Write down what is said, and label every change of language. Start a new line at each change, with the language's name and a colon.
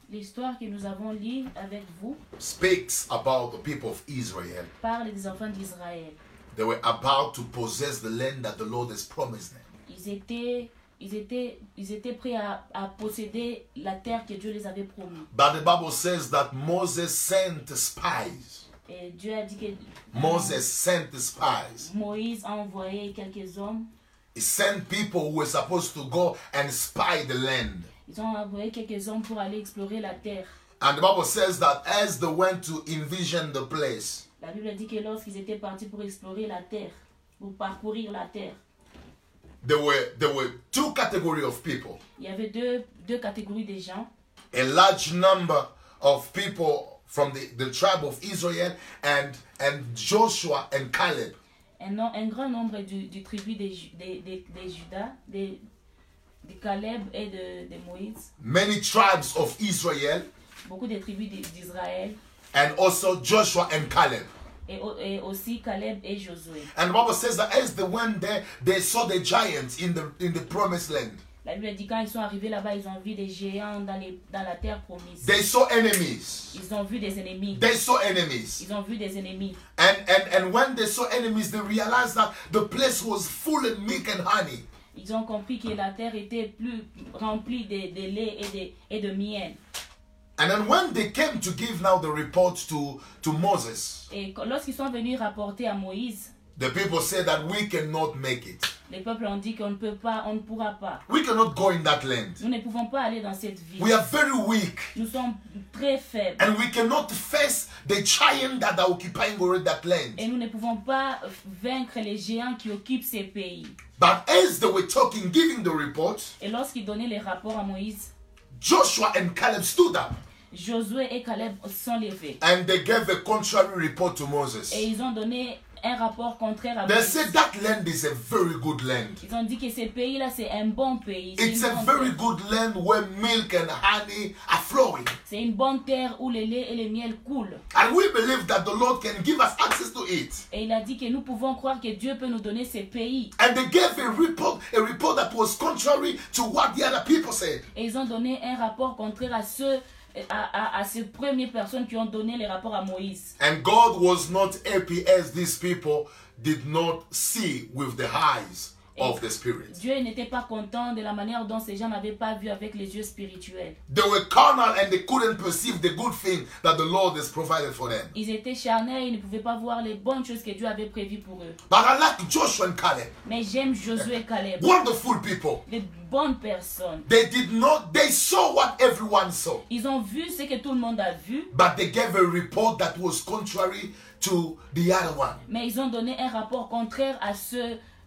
French: l'histoire que nous avons lue avec vous,
English: speaks about the people of Israel.
French: Parle des enfants d'Israël.
English: They were about to possess the land that the Lord has promised them.
French: Ils étaient prêts à posséder la terre que Dieu les avait promis.
English: But the Bible says that Moses sent spies.
French: Et Dieu a dit que
English: Moses sent spies.
French: Moïse a envoyé quelques hommes.
English: He sent people who were supposed to go and spy the land.
French: Ils ont envoyé quelques hommes pour aller explorer la terre.
English: And the Bible says that as they went to envision the place,
French: la Bible dit que lorsqu'ils étaient partis pour explorer la terre, pour parcourir la terre,
English: there were two categories of people.
French: Il y avait deux catégories de gens.
English: A large number of people from the tribe of Israel and Joshua and Caleb.
French: Un grand nombre du tribu de Judas, de Caleb et de Moïse.
English: Many tribes of Israel.
French: Beaucoup de tribus d'Israël.
English: And also Joshua and Caleb.
French: Et aussi Caleb et Josué.
English: And the Bible says that as they went there, they saw the giants in the promised land.
French: La Bible dit quand ils sont arrivés là-bas, ils ont vu des géants dans la terre promise.
English: They saw enemies.
French: Ils ont vu des ennemis.
English: They saw enemies.
French: Ils ont vu des ennemis.
English: And when they saw enemies, they realized that the place was full of milk and honey.
French: Ils ont compris que la terre était plus remplie de lait et de miel.
English: And then when they came to give now the report to Moses,
French: et lorsqu'ils sont venus rapporter à Moïse,
English: the people said that we cannot make it.
French: Les peuples ont dit qu'on ne peut pas, on ne pourra pas.
English: We cannot go in that land.
French: Nous ne pouvons pas aller dans cette ville.
English: We are very weak.
French: Nous sommes très faibles.
English: And we cannot face the giant that are occupying already that land.
French: Et nous ne pouvons pas vaincre les géants qui occupent ces pays.
English: But as they were talking, giving the report,
French: et lorsqu'ils donnaient les rapports à Moïse,
English: Joshua and Caleb stood up.
French: Josué et Caleb sont levés.
English: And they gave a contrary report to Moses.
French: Et ils ont donné un rapport contraire à Moïse.
English: They said that land is a very good land.
French: Ils ont dit que ce pays là c'est un bon pays.
English: It's a very good land where milk and honey are flowing.
French: C'est une bonne terre où le lait et le miel coulent.
English: And we believe that the Lord can give us access to it.
French: Et il a dit que nous pouvons croire que Dieu peut nous donner ce pays.
English: And they gave a report that was contrary to what the other people said.
French: Et ils ont donné un rapport contraire à ces premières personnes qui ont donné les rapports à Moïse.
English: And God was not happy as these people did not see with the eyes of the spirit.
French: Dieu n'était pas content de la manière dont ces gens n'avaient pas vu avec les yeux spirituels.
English: They were carnal and they couldn't perceive the good thing that the Lord has provided for them.
French: Ils étaient charnels, ils ne pouvaient pas voir les bonnes choses que Dieu avait prévues pour eux.
English: But I like Joshua and Caleb.
French: Mais j'aime Josué et Caleb.
English: Wonderful people.
French: Les bonnes personnes.
English: They did not. They saw what everyone saw.
French: Ils ont vu ce que tout le monde a vu.
English: But they gave a report that was contrary to the other one.
French: Mais ils ont donné un rapport contraire à ceux.